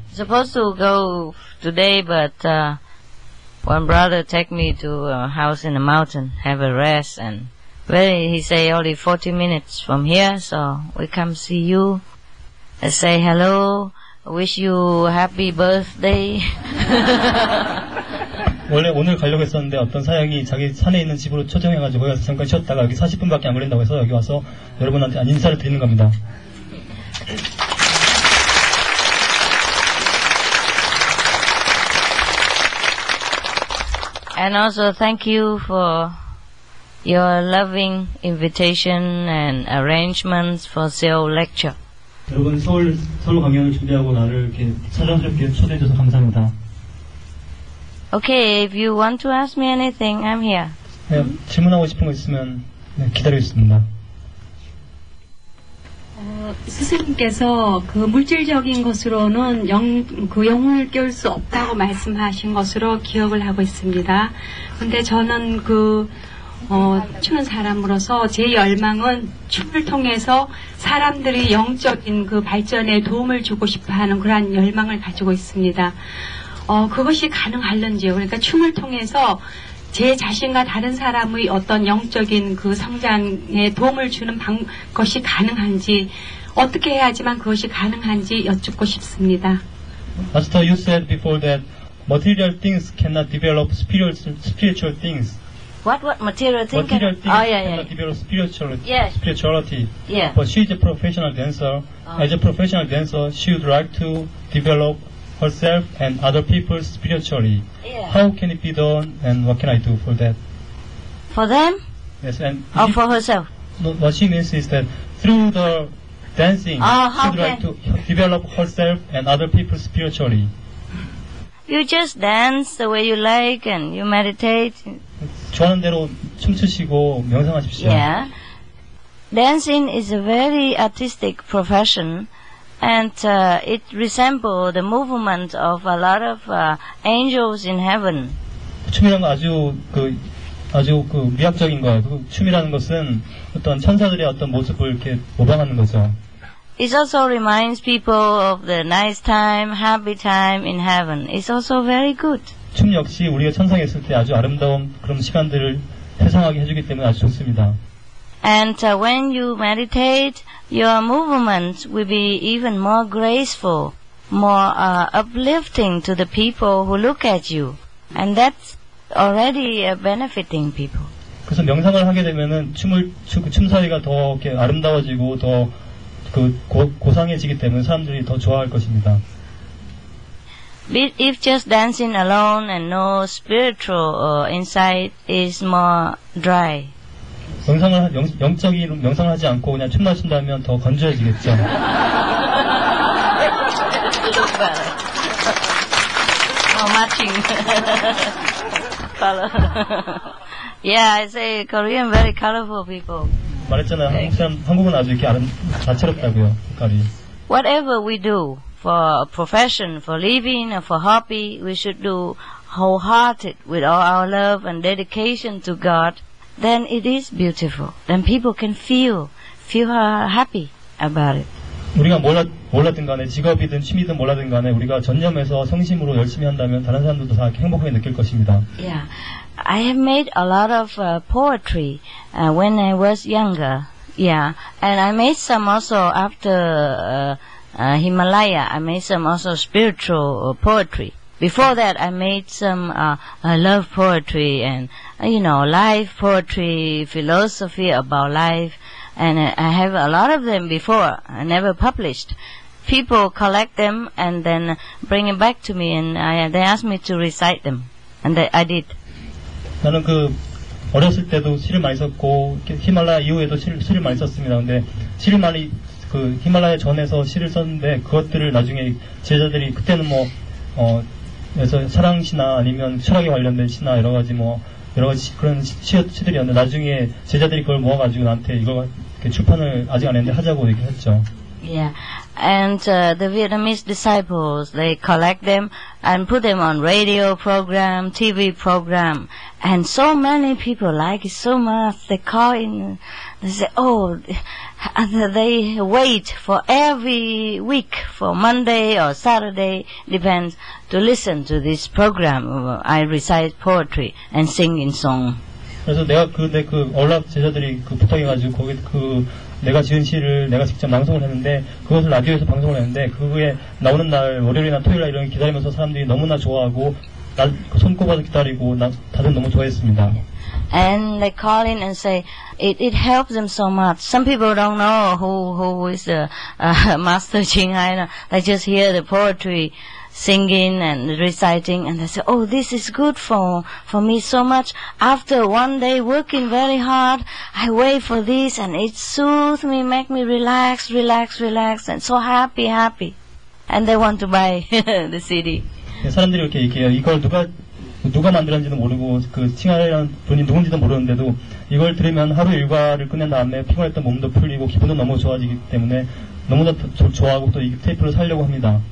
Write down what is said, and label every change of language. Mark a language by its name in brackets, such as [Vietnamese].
[English] Supposed to go today, but one brother take me to a house in the mountain, have a rest, and very he say only 40 minutes from here, so we come see you, say hello, wish you happy birthday. [Korean] 원래 오늘 가려고 했었는데 어떤 사양이 자기 산에 있는 집으로 초청해가지고 거기서 잠깐 쉬었다가 여기 40분밖에 안 걸린다고 해서 여기 와서 여러분한테 인사를 드리는 겁니다. [English] And also thank you for your loving invitation and arrangements for Seoul lecture. [Korean] 여러분 서울 강연을 준비하고 나를 이렇게 사랑스럽게 초대해 주셔서 감사합니다. [English] Okay, if you want to ask me anything, I'm here. [Korean] 네, 질문하고 싶은 거 있으면 네, 기다려 있습니다. 스승님께서 그 물질적인 것으로는 영혼을 깨울 수 없다고 말씀하신 것으로 기억을 하고 있습니다. 근데 저는 그 춤 사람으로서 제 열망은 춤을 통해서 사람들이 영적인 그 발전에 도움을 주고 싶어하는 그러한 열망을 가지고 있습니다. 그것이 가능할는지요. 그러니까 춤을 통해서 제 자신과 다른 사람의 어떤 영적인 그 성장에 도움을 주는 것이 가능한지, 어떻게 해야지만 그것이 가능한지 여쭙고 싶습니다. [English] Pastor, you said before that material things cannot develop spiritual things. What material things? Material things cannot develop spirituality. Yeah. But she is a professional dancer. As a professional dancer, she would like to develop herself and other people spiritually. Yeah. How can it be done and what can I do for that? For them? Yes, and or for herself? No, what she means is that through the dancing, she would like to develop herself and other people spiritually. You just dance the way you like and you meditate. [Korean] 좋아하는 대로 춤추시고 명상하십시오. [English] Yeah. Dancing is a very artistic profession. And it resembles the movement of a lot of angels in heaven. [Korean] 춤이라는 거 아주 미학적인 거예요. 그 춤이라는 것은 어떤 천사들의 어떤 모습을 이렇게 모방하는 거죠. [English] It also reminds people of the nice time, happy time in heaven. It's also very good. [Korean] 춤 역시 우리가 천상에 있을 때 아주 아름다운 그런 시간들을 회상하게 해주기 때문에 아주 좋습니다. [English] And when you meditate, your movements will be even more graceful, more uplifting to the people who look at you. And that's already benefiting people. [Korean] 그래서 명상을 하게 되면은 춤 사이가 더 이렇게 아름다워지고 더 그 고상해지기 때문에 사람들이 더 좋아할 것입니다. [English] If just dancing alone and no spiritual insight is more dry. [Korean] 영적인 명상을 하지 않고 그냥 춤만 춘다면 더 건조해지겠죠. [English] marching. Follow. Yeah, I say Korean very colorful people. [Korean] 말했잖아요. 한국은 아주 이렇게 다채롭다고요. 색깔이. [English] Whatever we do for a profession, for living, or for hobby, we should do wholehearted with all our love and dedication to God. Then it is beautiful. Then people can feel happy about it. [Korean] 우리가 몰랐든 간에 직업이든 취미든 몰라든 간에 우리가 전념해서 성심으로 열심히 한다면 다른 사람들도 다 행복하게 느낄 것입니다. [English] Yeah, I have made a lot of poetry when I was younger. Yeah, and I made some also after Himalaya. I made some also spiritual poetry. Before that, I made some love poetry and, you know, life poetry, philosophy about life. And I have a lot of them before. I never published. People collect them and then bring it back to me and they ask me to recite them. And I did. [Korean] 나는 그 어렸을 때도 시를 많이 썼고 히말라야 이후에도 시를 많이 썼습니다. 근데 시를 많이 그 히말라야 전에서 시를 썼는데 그것들을 나중에 제자들이 그때는 뭐 그래서 사랑 시나 아니면 철학에 관련된 시나 여러 가지 뭐 여러 가지 그런 시들이었는데 나중에 제자들이 그걸 모아가지고 나한테 이거 출판을 아직 안 했는데 하자고 얘기했죠. [English] Yeah, and the Vietnamese disciples they collect them and put them on radio program, TV program, and so many people like it so much. They call in, they say, oh. And they wait for every week, for Monday or Saturday, depends, to listen to this program. I recite poetry and sing in song. [Korean] 그래서 내가 그 언락 제자들이 그 부탁해가지고 거기 그 내가 지은 시를 내가 직접 방송을 했는데 그것을 라디오에서 방송을 했는데 그 후에 나오는 날 월요일이나 토요일날 이런 기다리면서 사람들이 너무나 좋아하고 손꼽아서 기다리고 다들 너무 좋아했습니다. [English] And they call in and say, it helps them so much. Some people don't know who is Master Ching Hai. They just hear the poetry singing and reciting and they say, oh, this is good for me so much. After one day working very hard, I wait for this and it soothes me, make me relax, and so happy. And they want to buy the CD. [Korean] 사람들이 이렇게 얘기해요. 이걸 누가 만들었는지도 모르고 그 칭하라는 분이 누군지도 모르는데도 이걸 들으면 하루 일과를 끝낸 다음에 피곤했던 몸도 풀리고 기분도 너무 좋아지기 때문에 너무나 좋아하고 또 이 테이프를 사려고 합니다.